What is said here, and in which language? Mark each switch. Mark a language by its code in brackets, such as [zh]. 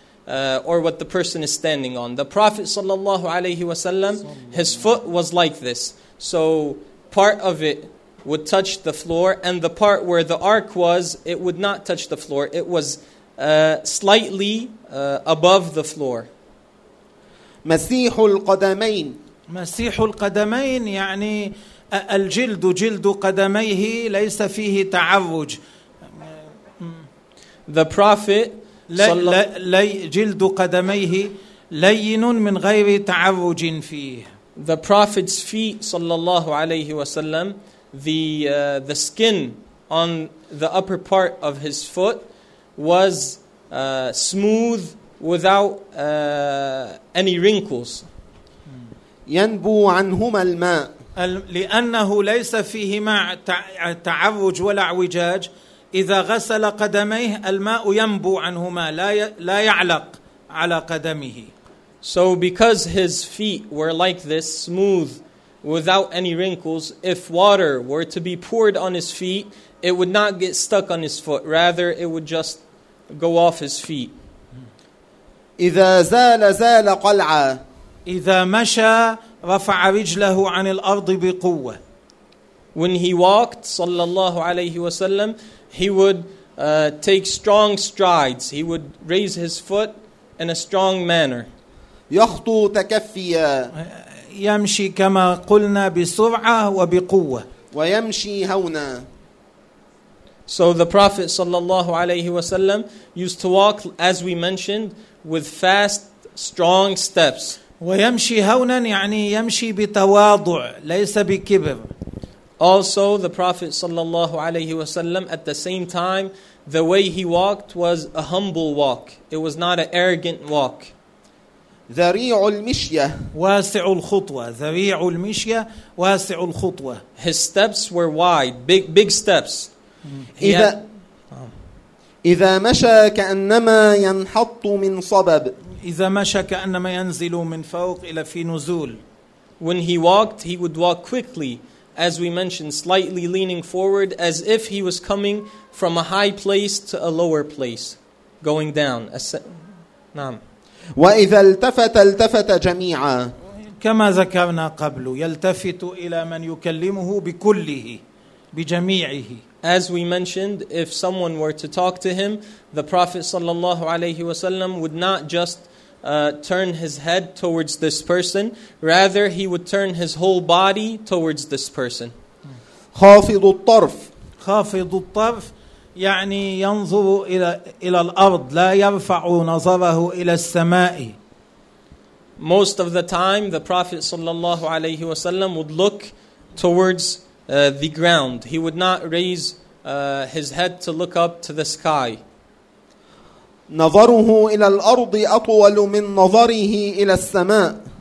[en] Or what the person is standing on. The Prophet [ar] sallallahu alayhi wasallam, [en] his foot was like this. So part of it would touch the floor, and the part where the arc was, it would not touch the floor. It was slightly above the floor. [ar] مسيح القدمين. مسيح القدمين يعني الجلد جلد قدميه ليس فيه تعرج. [en] The Prophet. [ar] جلد قدميه لين من غير تعرج فيه. [en] The Prophet's feet, [ar] صلى الله عليه وسلم, [en] the skin on the upper part of his foot was smooth without any wrinkles. [ar] ينبو عنهما الماء. لأنه ليس فيهما تعرج ولا اعوجاج. إذا غسل قدميه الماء ينبو عنهما لا يعلق على قدمه. [en] So because his feet were like this, smooth, without any wrinkles, if water were to be poured on his feet, it would not get stuck on his foot. Rather, it would just go off his feet. [ar] إذا زال زال قلعة. إذا مشى رفع رجله عن الأرض بقوة. [en] When he walked, [ar] صلى الله عليه وسلم, [en] he would take strong strides. He would raise his foot in a strong manner. [ar] يخطو تكفيا. يمشي كما قلنا بسرعة وبقوة. ويمشي هونا. [en] So the Prophet [ar] sallallahu alayhi wasallam [en] used to walk, as we mentioned, with fast, strong steps. [ar] ويمشي هونا يعني يمشي بتواضع ليس بكبر. [en] Also, the Prophet [ar] sallallahu alayhi wasallam, [en] at the same time, the way he walked was a humble walk. It was not an arrogant walk. [ar] ذريع المشية واسع الخطوة. ذريع المشية واسع الخطوة. [en] His steps were wide, big steps. [ar] إذا مشى كأنما ينحط من صبب. إذا مشى كأنما ينزل من فوق إلى في نزول. [en] When he walked, he would walk quickly, as we mentioned, slightly leaning forward, as if he was coming from a high place to a lower place, going down. [ar] نعم. وإذا التفت التفت جميعا. كما ذكرنا قبل يلتفت إلى من يكلمه بكله بجميعه. [en] As we mentioned, if someone were to talk to him, the Prophet [ar] sallallahu alayhi wasallam [en] would not just turn his head towards this person, rather he would turn his whole body towards this person. [ar] خافض الطرف. خافض الطرف يعني ينظر إلى الأرض لا يرفع نظره إلى السماء. [en] Most of the time, the Prophet [ar] sallallahu alayhi wasallam [en] would look towards the ground. He would not raise his head to look up to the sky. [ar] نظره إلى الأرض أطول من نظره إلى السماء.